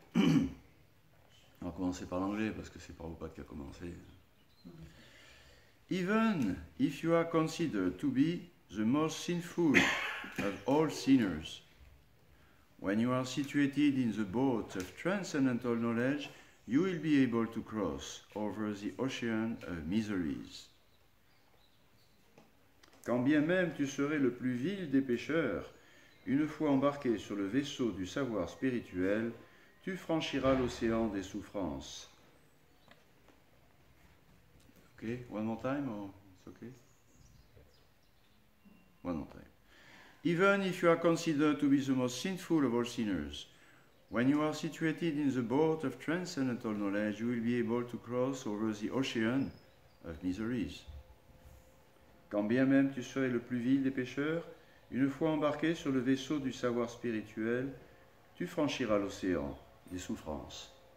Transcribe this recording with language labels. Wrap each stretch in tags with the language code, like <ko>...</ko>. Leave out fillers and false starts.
<fr>On va commencer par l'anglais parce que c'est Prabhupada qui a commencé.</fr> <en>Even if you are considered to be the most sinful of all sinners, when you are situated in the boat of transcendental knowledge, you will be able to cross over the ocean of miseries.</en> <fr>quand bien même tu serais le plus vil des pécheurs, une fois embarqué sur le vaisseau du savoir spirituel, tu franchiras l'océan des souffrances.</fr> <en>Ok, one more time, or it's okay? One more time. Even if you are considered to be the most sinful of all sinners, when you are situated in the boat of transcendental knowledge, you will be able to cross over the ocean of miseries.</en> <fr>Quand bien même tu serais le plus vil des pécheurs, une fois embarqué sur le vaisseau du savoir spirituel, tu franchiras l'océan des souffrances.</fr>